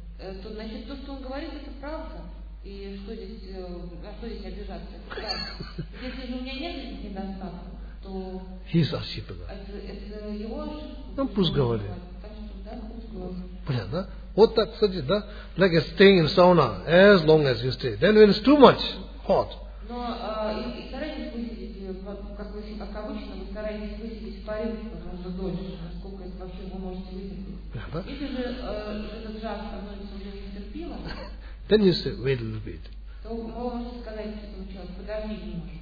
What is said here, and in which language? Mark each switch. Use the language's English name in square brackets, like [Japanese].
[Russian] То, значит, то, что он говорит, это правда. И что здесь, а что здесь обижаться? Если же у меня нет этих недостатков, то... [English] He's ошибка. [Russian] Это его ошибка. Там пусть говорит. Так что, да, пусть говорит. Понятно, да? Вот так, кстати, да? [English] Like staying in sauna as long as you stay. Then when it's too much hot. [Russian] Но и старайтесь высидеть, как обычно, вы стараетесь высидеть в парилке, потому что дольше, насколько это вообще вы можете высидеть. Yeah, если же этот жар становится уже нестерпимым, [English] then you say, wait a little bit. [Russian] То вы можете сказать этому человеку, подожди немножко.